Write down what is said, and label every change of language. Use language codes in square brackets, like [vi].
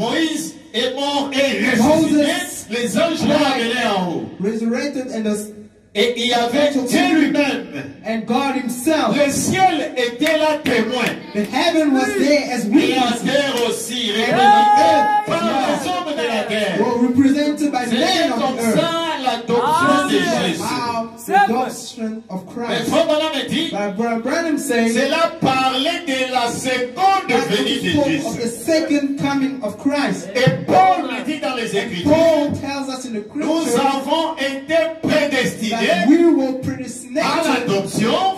[fr] Moïse est mort et ressuscité. Les anges l'ont amené en haut. [en] Resurrected and [fr] et il y avait Dieu lui-même. [en] And God himself. [fr] Le ciel était là témoin. [en] The heaven was there as witness. [fr] La terre aussi réunie par les hommes de la terre. [en] Well, represented by the men of the earth. [fr] L'adoption Jésus. Wow, [en] the doctrine of Christ. [fr] Mais [en] Frère Branham saying, [fr] cela parlait de la seconde venue de Jésus. [en] Of the second coming of Christ. [fr] Et Paul le dit dans les Écritures. [en] Paul tells us in the Scriptures, [fr] nous avons été prédestinés [en] we were predestined [fr] à l'adoption